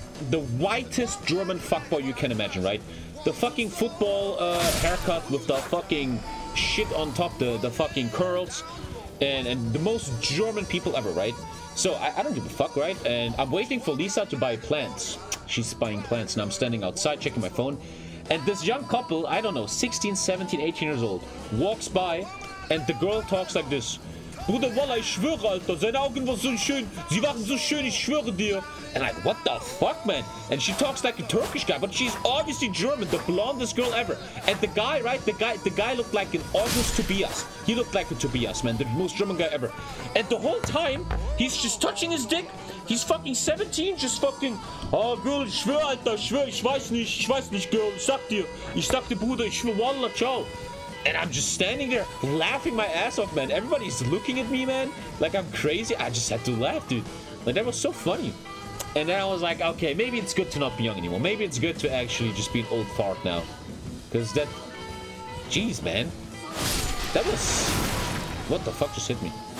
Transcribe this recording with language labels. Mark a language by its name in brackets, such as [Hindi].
[English] the whitest German fuckboy you can imagine, right? The fucking football haircut with the fucking shit on top, the fucking curls, and the most German people ever, right? So I don't give a fuck, right? And I'm waiting for Lisa to buy plants. She's buying plants, and I'm standing outside checking my phone. And this young couple, I don't know, 16, 17, 18 years old, walks by, and the girl talks like this. [German] Bruder, Walla, ich schwöre, Alter, seine Augen waren so schön, sie waren so schön, ich schwöre dir. [English] And I'm like, what the fuck, man? And she talks like a Turkish guy, but she's obviously German, the blondest girl ever. And the guy, right, the guy looked like an August Tobias. He looked like a Tobias, man, the most German guy ever. And the whole time, he's just touching his dick. He's fucking 17, just fucking, oh, girl, [German] ich schwöre, Alter, ich weiß nicht, girl, ich sag dir, Bruder, ich schwöre, Walla, ciao. [English] And I'm just standing there laughing my ass off, man. Everybody's looking at me, man, like I'm crazy. I just had to laugh, dude. Like, that was so funny. And then I was like, okay, maybe it's good to not be young anymore. Maybe it's good to actually just be an old fart now. Because that... Jeez, man. That was... What the fuck just hit me?